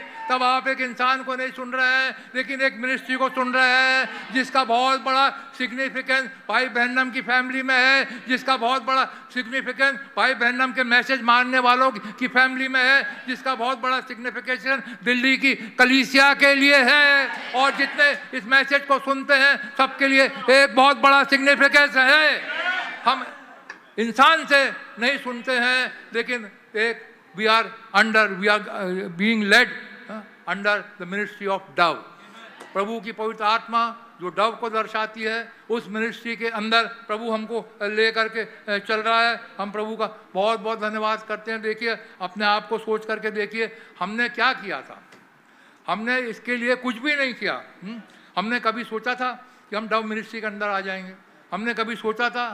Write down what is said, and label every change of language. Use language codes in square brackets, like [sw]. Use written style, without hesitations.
[hi] तब आप एक इंसान को नहीं सुन रहे हैं लेकिन एक मिनिस्ट्री को सुन रहे हैं जिसका बहुत बड़ा सिग्निफिकेंस भाई बहनम की फैमिली में है, जिसका बहुत बड़ा सिग्निफिकेंस भाई बहनम के मैसेज मानने वालों की फैमिली में है, जिसका बहुत बड़ा सिग्निफिकेशन दिल्ली की कलीसिया के लिए है, और जितने इस मैसेज को सुनते हैं सबके लिए एक बहुत बड़ा सिग्निफिकेंस है। हम इंसान से नहीं सुनते हैं लेकिन एक [en] we are being led under the ministry of dove. [hi] प्रभु की पवित्र आत्मा जो डव को दर्शाती है उस मिनिस्ट्री के अंदर प्रभु हमको ले करके चल रहा है. हम प्रभु का बहुत बहुत धन्यवाद करते हैं. देखिए अपने आप को सोच करके देखिए हमने क्या किया था. हमने इसके लिए कुछ भी नहीं किया. हमने कभी सोचा था कि हम डव मिनिस्ट्री के अंदर आ जाएंगे? हमने कभी सोचा था?